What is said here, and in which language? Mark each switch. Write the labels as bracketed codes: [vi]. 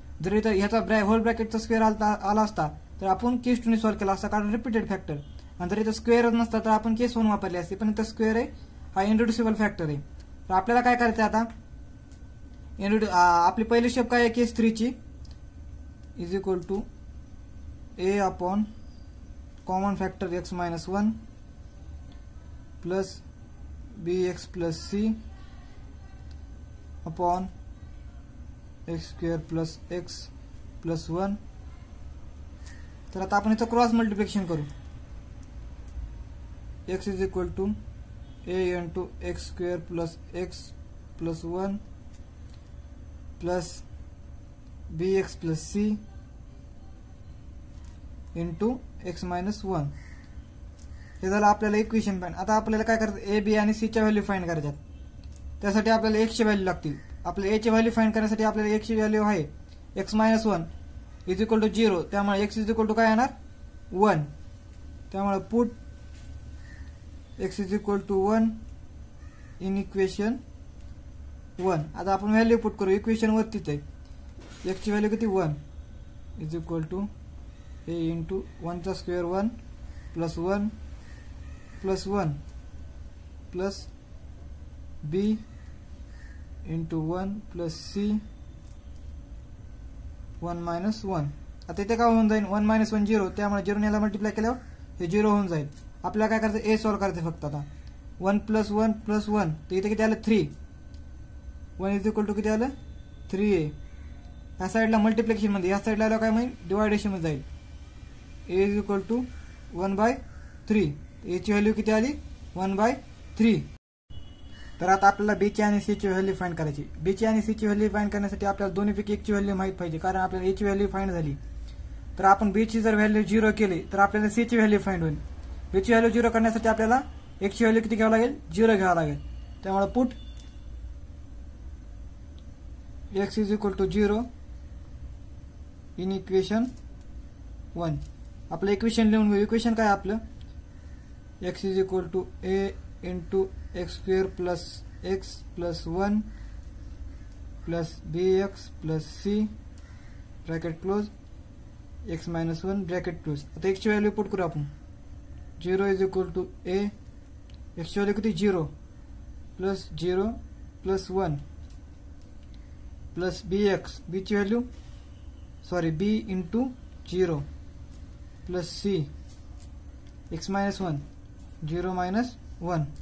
[mr] जर इथं ह्याचा होल ब्रॅकेटचा स्क्वेअर आला असता तर आपण केस 2 ने सॉल्व केला असता, कारण रिपीटेड फॅक्टर. आणि जर इथं स्क्वेअर नसता तर आपण केस 1 वापरले असते, पण इथं स्क्वेअर आहे हा इंट्रोड्युसेबल फॅक्टर आहे. तर आपल्याला काय करायचं आता? आपली पहिली शेप काय आहे केस 3 ची? [en] Is equal to A upon common factor X minus one plus B X plus C upon X square plus X plus one. [mr] तर आता आपण याचं क्रॉस मल्टिप्लिकेशन करू. [en] X is equal to A into X square plus X plus one plus B X plus C into X minus one. [mr] हे झालं आपल्याला equation pan. आता आपल्याला काय करतात? ए बी आणि सी च्या व्हॅल्यू फाईंड करायच्यात. त्यासाठी आपल्याला एक्सचे व्हॅल्यू लागतील. आपल्या ए ची व्हॅल्यू फाईंड करण्यासाठी आपल्याला एक्सची व्हॅल्यू आहे [en] x minus one is equal to zero, [mr] त्यामुळे एक्स इज इक्वल टू काय येणार? वन. [en] त्यामुळे put x is equal to one in equation one. [mr] आता आपण व्हॅल्यू पुट करू इक्वेशन वरतीच आहे. एक्सची व्हॅल्यू किती? [en] One is equal to a into वनचा square one plus one plus one plus b into one plus c one minus one. [mr] आता इथे काय होऊन जाईल? वन मायनस वन झिरो, त्यामुळे झिरो याला मल्टिप्लाय केल्यावर हे झिरो होऊन जाईल. आपल्याला काय करायचं? ए सॉल्व करायचं फक्त. आता one plus one plus one, तर इथे किती आलं? Three. [en] one is equal to [mr] किती आलं? थ्री ए. ह्या साईडला मल्टिप्लिकेशन मध्ये, ह्या साईडला आलं काय म्हणजे डिवायडेशन मध्ये जाईल. [en] a is equal to one by three, [mr] एची व्हॅल्यू किती आली? One by three. तर आता आपल्याला बी ची आणि सी ची व्हॅल्यू फाईंड करायची. बी ची आणि सी ची व्हॅल्यू फाईंड करण्यासाठी आपल्याला दोन्हीपैकी एकची व्हॅल्यू माहित पाहिजे, कारण आपल्याला एची व्हॅल्यू फाईंड झाली. तर आपण बी ची जर व्हॅल्यू झिरो केली तर आपल्याला सी ची व्हॅल्यू फाईंड होईल. बी ची व्हॅल्यू झिरो करण्यासाठी आपल्याला एकची व्हॅल्यू किती घ्यावं लागेल? झिरो घ्यावं लागेल. [en] त्यामुळे put x is equal to zero in equation one. [mr] आपलं इक्वेशन लिहून घेऊ. इक्वेशन काय आपलं? [en] X is equal to a into x square plus x plus one plus b x plus c bracket close x minus one bracket close. [mr] आता एक्सची value put करू आपण. [en] zero is equal to a, [mr] एक्सची value किती? [en] Zero plus zero plus one plus b x, b ची value sorry b into zero plus c x minus one zero minus one.